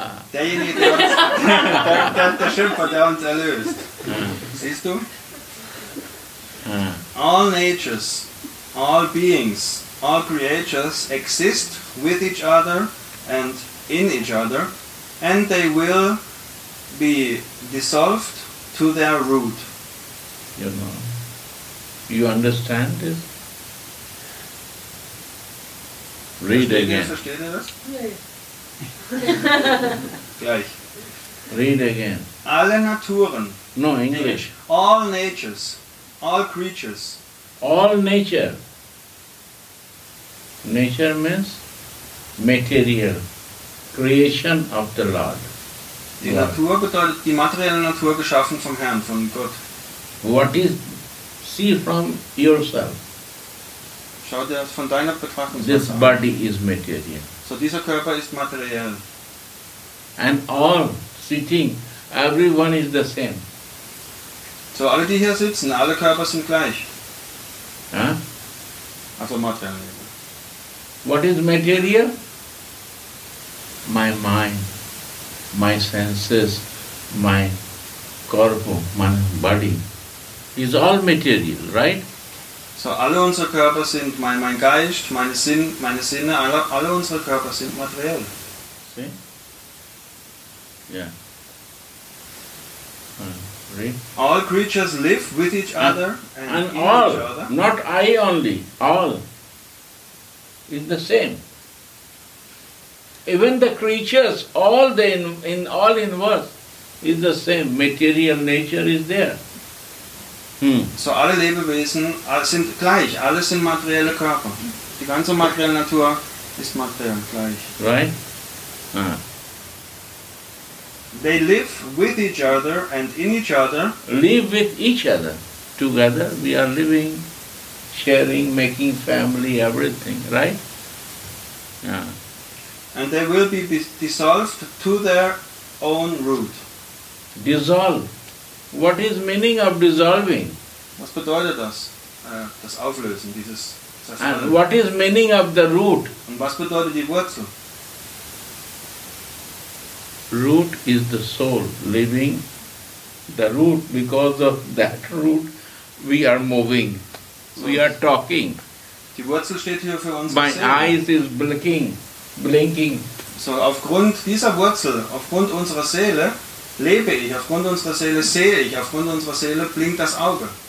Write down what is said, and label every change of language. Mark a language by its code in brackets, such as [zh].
[de] Derjenige, der uns, der Schimpfer, der uns erlöst. Siehst du? [en] All natures, all beings, all creatures exist with each other and in each other, and they will be dissolved to their root. You know. You understand this? Read again. [de] Versteht ihr das? Nein. Gleich. [en] Read again. [de] Alle Naturen. [en] No, English. All natures. All creatures. All nature. Nature means material. Creation of the Lord. [de] Die Natur bedeutet die materielle Natur, geschaffen vom Herrn, von Gott. [en] What is... See from yourself. [de] Schau dir das von deiner Betrachtung an. [en] This body is material. [de] So dieser Körper ist materiell. [en] And all sitting, everyone is the same. [de] So alle, die hier sitzen, alle Körper sind gleich. Huh? Also materiell. [en] What is material? My mind, my senses, my corpo, my body. Is all material, right? [de] So alle unsere Körper sind mein Geist, meine Sinne, alle unsere Körper sind materiell. [en] See? Yeah. Read. All creatures live with each other and all, each other. Not I only, all. Is the same. Even the creatures, all the in all universe is the same. Material nature is there. [de] So alle Lebewesen sind gleich, alle sind materielle Körper. Die ganze materielle Natur ist materiell gleich. [en] Right? They live with each other and in each other. Live with each other. Together we are living, sharing, making family, everything, right? And they will be dissolved to their own root. Dissolve. What is meaning of dissolving? [de] Was bedeutet das? Das Auflösen, dieses... [en] And what is meaning of the root? [de] Und was bedeutet die Wurzel? [en] Root is the soul living. The root, because of that root, we are moving. So we are talking. [de] Die Wurzel steht hier für uns. [en] My eyes is blinking. [de] So aufgrund dieser Wurzel, aufgrund unserer Seele, lebe ich, aufgrund unserer Seele sehe ich, aufgrund unserer Seele blinkt das Auge.